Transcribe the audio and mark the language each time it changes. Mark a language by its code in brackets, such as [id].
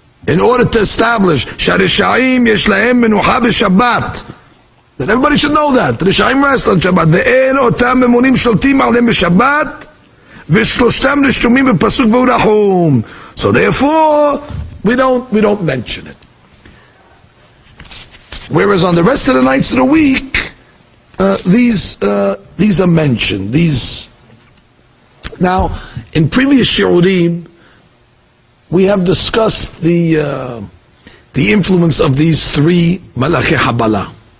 [en] In order to establish [he] שהרשעים יש להם מנוחה בשבת. [en] Then everybody should know that. רשעים rest on שבת. [he] ואין אותם ממונים שולטים עליהם בשבת, ושלושתם רשומים בפסוק ורחום. [en] So therefore, we don't mention it. Whereas on the rest of the nights of the week, these are mentioned. Now, in previous shiurim, we have discussed the influence of these three malachi habala.